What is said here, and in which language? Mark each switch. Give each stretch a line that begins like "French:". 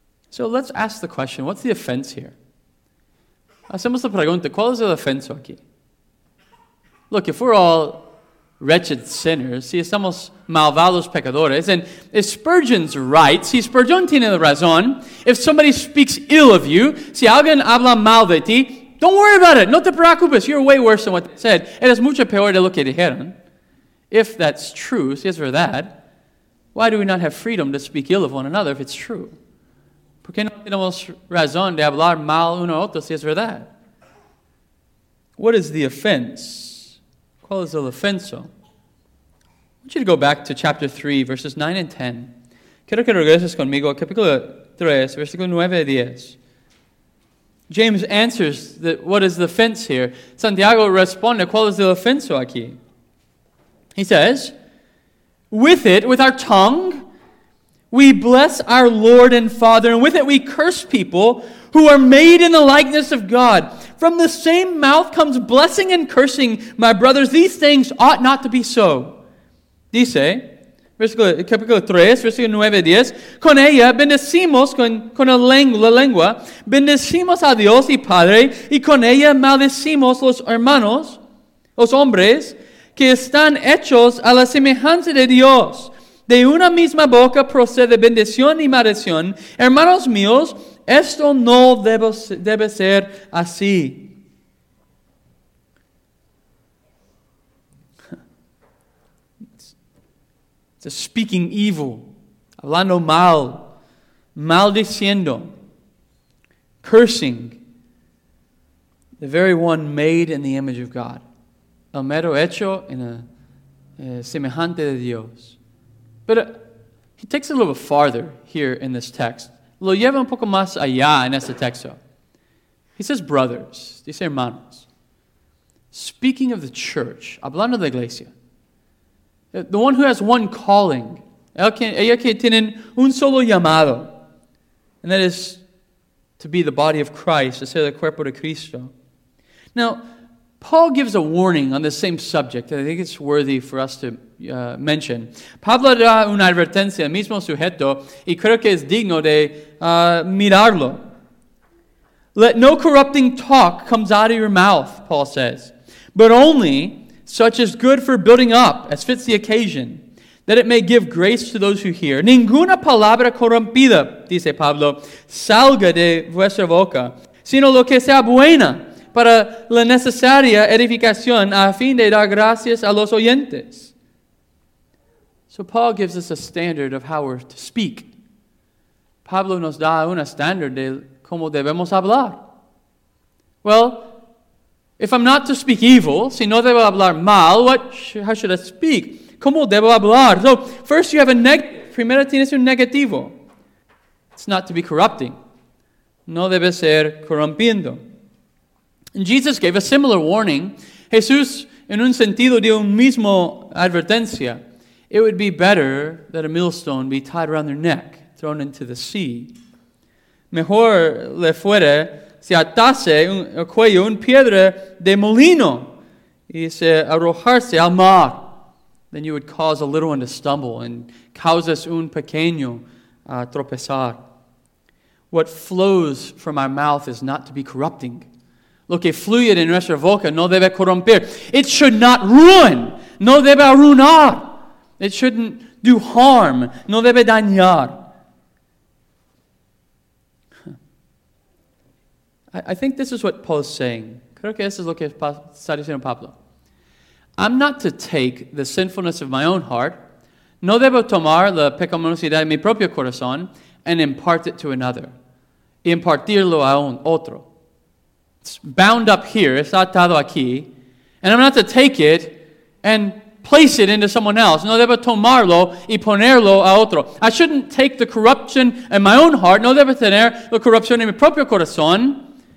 English: So let's ask the question, what's the offense here?
Spanish: Hacemos la pregunta, ¿cuál es el ofenso aquí?
English: Look, if we're all wretched sinners,
Spanish: si estamos malvados pecadores,
English: and if Spurgeon's right,
Spanish: si Spurgeon tiene la razón,
English: if somebody speaks ill of you,
Spanish: si alguien habla mal de ti,
English: don't worry about it.
Spanish: No te preocupes.
English: You're way worse than what they said.
Spanish: Eres mucho peor de lo que dijeron.
English: If that's true,
Spanish: si es verdad,
English: why do we not have freedom to speak ill of one another if it's true?
Spanish: ¿Por qué no tenemos razón de hablar mal uno a otro si es verdad?
English: What is the offense?
Spanish: ¿Cuál es el ofenso?
English: I want you to go back to chapter 3, verses 9 and 10.
Spanish: Quiero que regreses conmigo a capítulo 3, versículo 9 y 10.
English: James answers that what is the offense here.
Spanish: Santiago responde, ¿cuál es el ofenso aquí?
English: He says, with it, with our tongue, we bless our Lord and Father, and with it we curse people who are made in the likeness of God. From the same mouth comes blessing and cursing, my brothers. These things ought not to be so.
Spanish: Dice, capítulo 3, versículo 9 y 10, con ella bendecimos, con la lengua, bendecimos a Dios y Padre, y con ella maldecimos los hermanos, los hombres, que están hechos a la semejanza de Dios. De una misma boca procede bendición y maldición. Hermanos míos, esto no debe ser así.
English: It's a speaking evil,
Spanish: hablando mal, maldiciendo,
English: cursing the very one made in the image of God.
Spanish: El mero hecho en el semejante de Dios.
English: But he takes it a little bit farther here in this text.
Spanish: Lo lleva un poco más allá en este texto.
English: He says brothers.
Spanish: Dice hermanos.
English: Speaking of the church,
Spanish: hablando de la iglesia.
English: The one who has one calling.
Spanish: Ella que tienen un solo llamado.
English: And that is to be the body of Christ.
Spanish: To ser el cuerpo de Cristo.
English: Now, Paul gives a warning on the same subject that I think it's worthy for us to mention.
Spanish: Pablo da una advertencia, mismo sujeto, y creo que es digno de mirarlo.
English: Let no corrupting talk comes out of your mouth, Paul says, but only such as good for building up, as fits the occasion, that it may give grace to those who hear.
Spanish: Ninguna palabra corrompida, dice Pablo, salga de vuestra boca, sino lo que sea buena, para la necesaria edificación a fin de dar gracias a los oyentes.
English: So Paul gives us a standard of how we're to speak.
Spanish: Pablo nos da un estándar de cómo debemos hablar.
English: Well, if I'm not to speak evil,
Spanish: si no debo hablar mal,
English: how should I speak?
Spanish: ¿Cómo debo hablar?
English: So, first you have a negative.
Spanish: Primero tienes un negativo.
English: It's not to be corrupting.
Spanish: No debe ser corrompiendo.
English: And Jesus gave a similar warning.
Spanish: Jesús, en un sentido, dio un mismo advertencia.
English: It would be better that a millstone be tied around their neck, thrown into the sea.
Spanish: Mejor le fuera si atase al cuello un piedra de molino y se arrojarse al mar.
English: Then you would cause a little one to stumble and causes
Spanish: un pequeño a tropezar.
English: What flows from our mouth is not to be corrupting.
Spanish: Lo que fluye de nuestra boca no debe corromper.
English: It should not ruin.
Spanish: No debe arruinar.
English: It shouldn't do harm.
Spanish: No debe dañar.
English: I think this is what Paul is saying.
Spanish: Creo que eso es lo que está diciendo Pablo.
English: I'm not to take the sinfulness of my own heart.
Spanish: No debo tomar la pecaminosidad de mi propio corazón
English: and impart it to another.
Spanish: Y impartirlo a un otro.
English: It's bound up here.
Spanish: Está atado aquí.
English: And I'm not to take it and place it into someone else.
Spanish: No debo tomarlo y ponerlo a otro.
English: I shouldn't take the corruption in my own heart.
Spanish: No debo tener la corrupción en mi propio corazón.